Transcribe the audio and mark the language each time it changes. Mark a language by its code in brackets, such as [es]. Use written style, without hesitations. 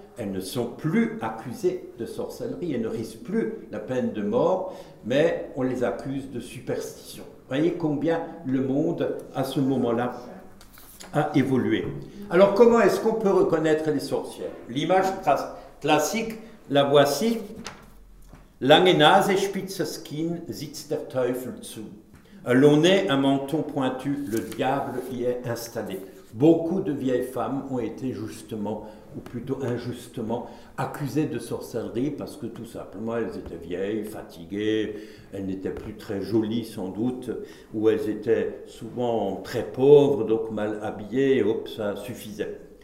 [fr] Elles ne sont plus accusées de sorcellerie, elles ne risquent plus la peine de mort, mais on les accuse de superstition. Voyez combien le monde, à ce moment-là, a évolué. Alors, comment est-ce qu'on peut reconnaître les sorcières ? L'image classique, la voici. [de] Lange Nase, spitze Kinn, sitzt der Teufel zu. [fr] Un long nez, un menton pointu, le diable y est installé. Beaucoup de vieilles femmes ont été justement ou plutôt injustement, accusées de sorcellerie parce que tout simplement elles étaient vieilles, fatiguées, elles n'étaient plus très jolies sans doute, ou elles étaient souvent très pauvres, donc mal habillées, et hop, ça suffisait.